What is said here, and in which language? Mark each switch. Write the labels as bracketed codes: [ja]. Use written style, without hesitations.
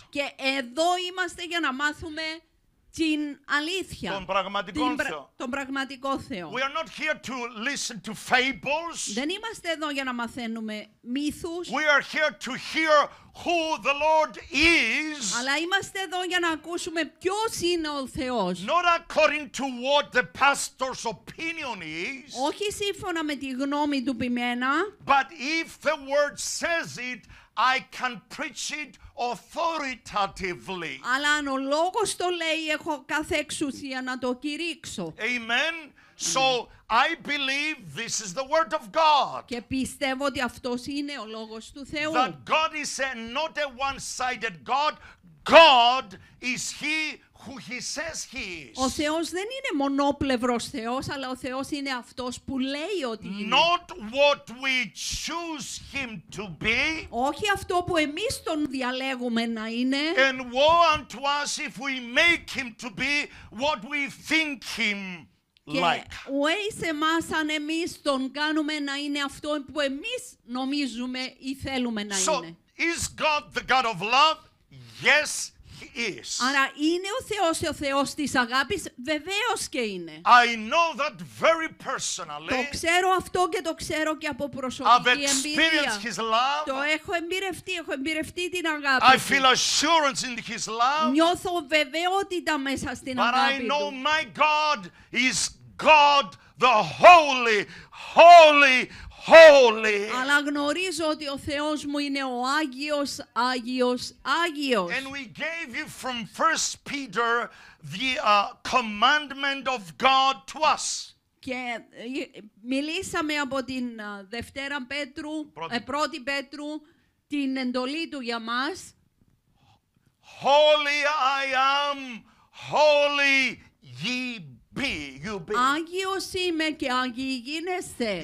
[el] Και εδώ είμαστε για να μάθουμε την αλήθεια, τον πραγματικό Θεό. [en] We are not here to listen to fables. [el] Δεν είμαστε εδώ για να μαθαίνουμε μύθους. [en] We are here to hear who the Lord is. [el] Αλλά είμαστε εδώ για να ακούσουμε ποιος είναι ο Θεός. [en] Not according to what the pastor's opinion is. [el] Όχι σύμφωνα με τη γνώμη του Ποιμένα. [en] But if the word says it, I can preach it authoritatively. [el] Αλλά αν ο λόγος το λέει, έχω κάθε εξουσία να το κηρύξω. [en] Amen. So I believe this is the word of God. [el] Και πιστεύω ότι αυτός είναι ο λόγος του Θεού. [en] That God is not a one-sided God. God is He who He says He is. [el] Ο Θεός δεν είναι μονοπλευρός Θεός, αλλά ο Θεός είναι αυτός που λέει ότι είναι. [en] Not what we choose Him to be. [el] Όχι αυτό που εμείς τον διαλέγουμε να είναι. [en] And woe unto us if we make Him to be what we think Him [el] Ουέις εμάς αν εμείς τον κάνουμε να είναι αυτό που εμείς νομίζουμε ή θέλουμε να είναι. [en] Is God the God of love? Yes, He is. [el] Άρα είναι ο Θεός της αγάπης? Βεβαίως και είναι. [en] I know that very personally. [el] Το ξέρω αυτό και το ξέρω και από προσωπική εμπειρία. [en] His love. [el] Το έχω εμπειρευτεί την αγάπη. [en] I feel assurance in His love. [el] Νιώθω βεβαιότητα μέσα στην [en] But [el] αγάπη [en] I know [el] του. [en] My God is God the Holy, Holy, Holy. [el] Αλλά γνωρίζω ότι ο Θεός μου είναι ο Άγιος, Άγιος, Άγιος. [en] And we gave you from 1 Peter the commandment of God to us. [el] Και μιλήσαμε από την Δευτέρα Πέτρου, πρώτη Πέτρου, την εντολή του για μας. [en] Holy I am, holy ye be. You be. [el] Άγιος είμαι και Άγιοι γίνεστε.